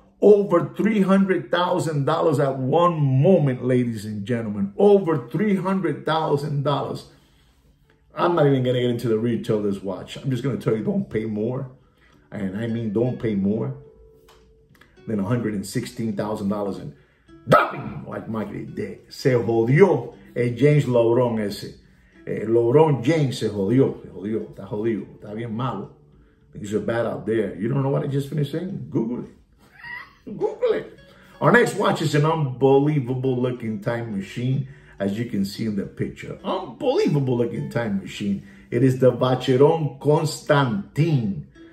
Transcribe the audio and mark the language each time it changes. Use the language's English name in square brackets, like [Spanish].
[English] Over $300,000 at one moment, ladies and gentlemen. Over $300,000. I'm not even going to get into the retail of this watch. I'm just going to tell you, don't pay more. And I mean, don't pay more than $116,000. And bam! Like Mike did. [Spanish] Se jodió el James LeBron ese. El LeBron James se jodió. Está jodido. Está bien malo. [English] Things are bad out there. You don't know what I just finished saying? Google it. Google it. Our next watch is an unbelievable looking time machine, as you can see in the picture. Unbelievable looking time machine. It is the Vacheron Constantin.